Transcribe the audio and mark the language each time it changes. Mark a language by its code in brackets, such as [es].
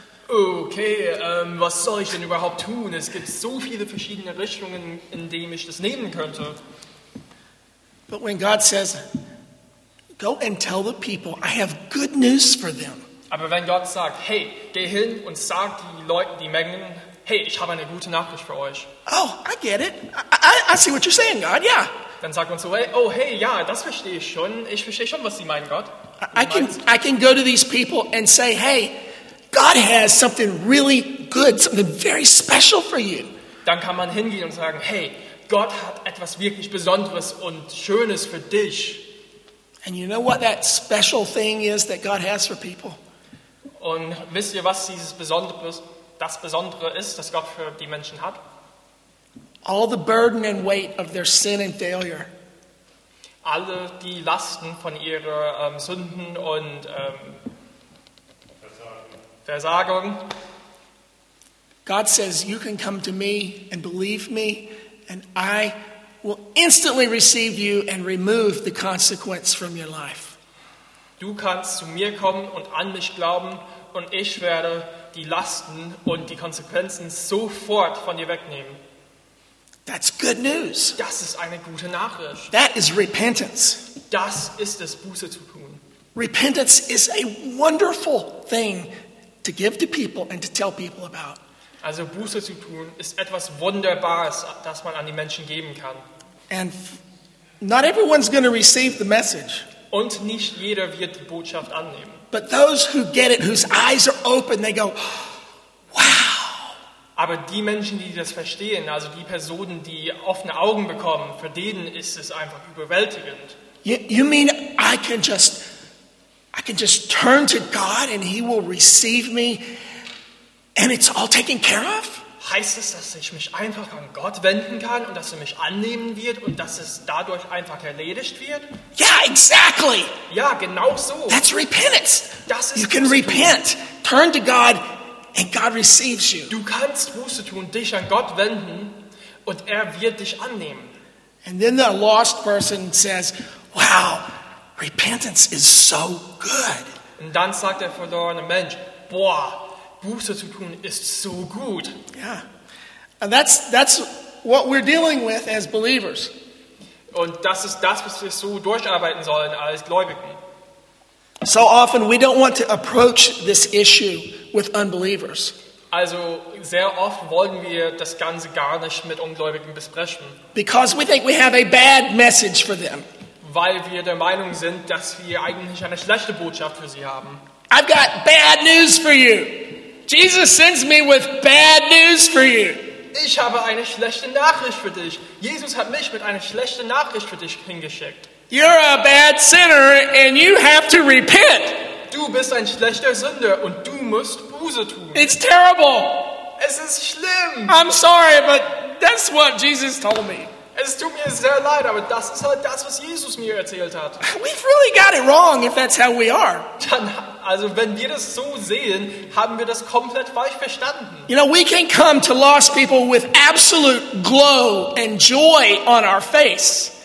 [de] Okay, was soll ich denn überhaupt tun? Es gibt so viele verschiedene Richtungen, in denen ich das nehmen könnte. [en] But when God says, go and tell the people, I have good news for them. [de] Aber wenn Gott sagt, hey, geh hin und sag die Leuten, die Mengen, hey, ich habe eine gute Nachricht für euch. [en] Oh, I get it. I see what you're saying, God, yeah. [de] Dann sagt man so, hey, oh, hey, ja, das verstehe ich schon. Ich verstehe schon, was Sie meinen, Gott. [en] I can go to these people and say, hey, God has something really good, something very special for you. [de] Dann kann man hingehen und sagen, hey, Gott hat etwas wirklich Besonderes und Schönes für dich. [en] And you know what that special thing is that God has for people? [de] Und wisst ihr, was dieses Besondere ist, das Gott für die Menschen hat? [en] All the burden and weight of their sin and failure. [de] Alle die Lasten von ihrer Sünden und Versagung. [en] God says, you can come to me and believe me, and I will instantly receive you and remove the consequence from your life. [de] Du kannst zu mir kommen und an mich glauben, und ich werde die Lasten und die Konsequenzen sofort von dir wegnehmen. [en] That's good news. [de] Das ist eine gute Nachricht. [en] That is repentance. [de] Das ist es, Buße zu tun. [en] Repentance is a wonderful thing to give to people and to tell people about. [de] Also Buße zu tun ist etwas Wunderbares, das man an die Menschen geben kann. [en] And not everyone's going to receive the message. [de] Und nicht jeder wird die Botschaft annehmen. [en] But those who get it, whose eyes are open, they go, wow. [de] Aber die Menschen, die das verstehen, also die Personen, die offene Augen bekommen, für denen ist es einfach überwältigend. [en] You mean I can just turn to God and he will receive me and it's all taken care of? [de] Heißt es, dass ich mich einfach an Gott wenden kann und dass er mich annehmen wird und dass es dadurch einfach erledigt wird? [en] Yeah, exactly. [de] Ja, genau so. [en] That's repentance. [de] Das ist [en] you can repent. Turn to God and God receives you. [de] Du kannst Buße tun, dich an Gott wenden und er wird dich annehmen. [en] And then the lost person says, wow, repentance is so good. [de] Und dann sagt der verlorene Mensch, boah, Buße zu tun ist so gut. [en] Yeah. And that's what we're dealing with as believers. [de] Und das ist das, was wir so durcharbeiten sollen als Gläubigen. [en] So often we don't want to approach this issue with unbelievers. [de] Also sehr oft wollen wir das Ganze gar nicht mit Ungläubigen besprechen. [en] Because we think we have a bad message for them. [de] Weil wir der Meinung sind, dass wir eigentlich eine schlechte Botschaft für sie haben. [en] I've got bad news for you. Jesus sends me with bad news for you. [de] Ich habe eine schlechte Nachricht für dich. Jesus hat mich mit einer schlechten Nachricht für dich hingeschickt. [en] You're a bad sinner and you have to repent. [de] Du bist ein schlechter Sünder und du musst Buße tun. [en] It's terrible. [de] Es ist schlimm. [en] I'm sorry, but that's what Jesus told me. [de] Es tut mir sehr leid, aber das ist halt das, was Jesus mir erzählt hat. [en] We've really got it wrong if that's how we are. [de] Also wenn wir das so sehen, haben wir das komplett falsch verstanden. [en] You know, we can come to lost people with absolute glow and joy on our face.